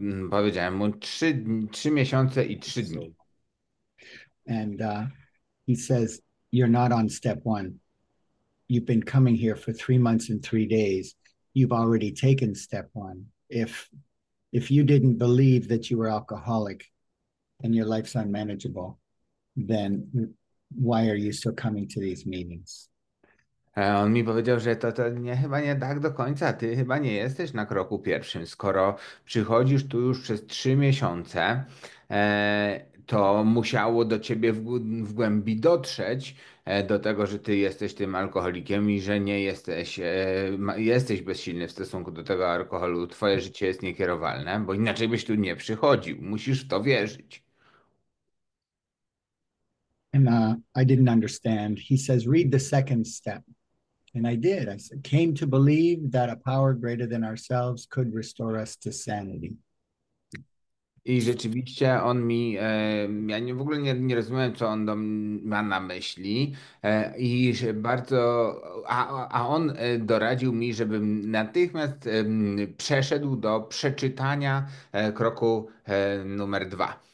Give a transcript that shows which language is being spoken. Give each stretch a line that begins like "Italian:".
Polish: Powiedziałem mu 3 miesiące i 3 dni.
English: And he says, "You're not on step one. You've been coming here for 3 months and 3 days. You've already taken step one. If you didn't believe that you were alcoholic and your life's unmanageable, then why are you still coming to these meetings?"
Polish: On mi powiedział, że to nie, chyba nie tak do końca. Ty chyba nie jesteś na kroku pierwszym. Skoro przychodzisz tu już przez 3 miesiące, to musiało do ciebie w głębi dotrzeć, do tego, że ty jesteś tym alkoholikiem i że nie jesteś, jesteś bezsilny w stosunku do tego alkoholu. Twoje życie jest niekierowalne, bo inaczej byś tu nie przychodził. Musisz w to wierzyć.
English: And I didn't understand. He says, "Read the second step." And I did. I said, "Came to believe that a power greater than ourselves could restore us to sanity."
Polish: I rzeczywiście on mi, w ogóle nie rozumiem, co on ma na myśli, i że bardzo, a on doradził mi, żebym natychmiast przeszedł do przeczytania kroku numer 2.